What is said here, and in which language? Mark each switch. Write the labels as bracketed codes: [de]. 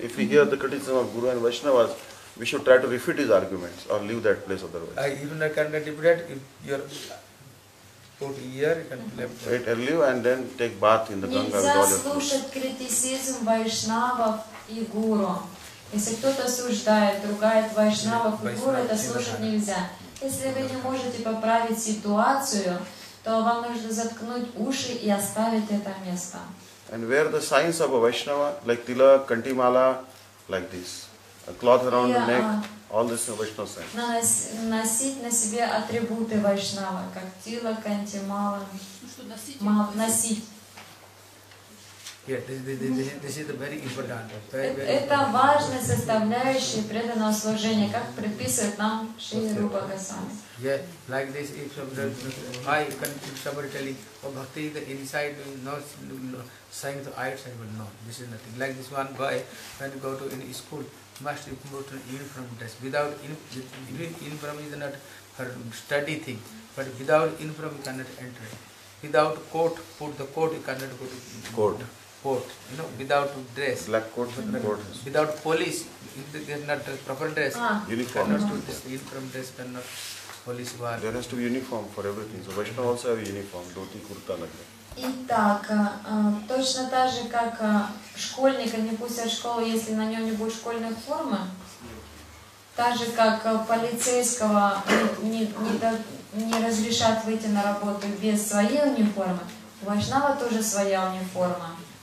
[en] If we hear the criticism of Guru and Vaishnavas, we should try to refute his arguments or leave that place otherwise. Even I cannot debate your put here and left. Wait, I'll leave and then take bath in the Ganga. [ru] Нельзя слушать критицизм вайшнавов и гуру. Если кто-то осуждает, ругает вайшнавов и гуру, это слушать нельзя. Если вы не можете поправить ситуацию, то вам нужно заткнуть уши и оставить это место. [en] And wear the signs of a Vaishnava, like tilak, kanti mala, like this. A cloth around the neck. All this is Vaishnava sign. [ru] Носить на себе атрибуты Вайшнава, как тила, канти, мала. Носить. [en] This is very important. [ru] Это важная составляющая преданного служения, как предписывает нам Шри Рупа Госвами. [en] Yeah, like this, if somebody, bhakti is inside, no sign to outside, but no, this is nothing. Like this one boy, when you go to any school, must be put an uniform dress. Without uniform is not her study thing, but without uniform you cannot enter. Without coat, put the coat, you cannot go to court. Court, you know, without dress. Black coat, court. Without police, there is not proper dress. Uniform. Uniform dress cannot police wear. There has to be uniform for everything. So Vaishnava also have uniform, dhoti, kurta, like that. [ru] Итак, точно так же, как школьника не пустят в школу, если на нем не будет школьной формы, так же, как полицейского не разрешат выйти на работу без своей униформы, у вайшнава тоже своя униформа.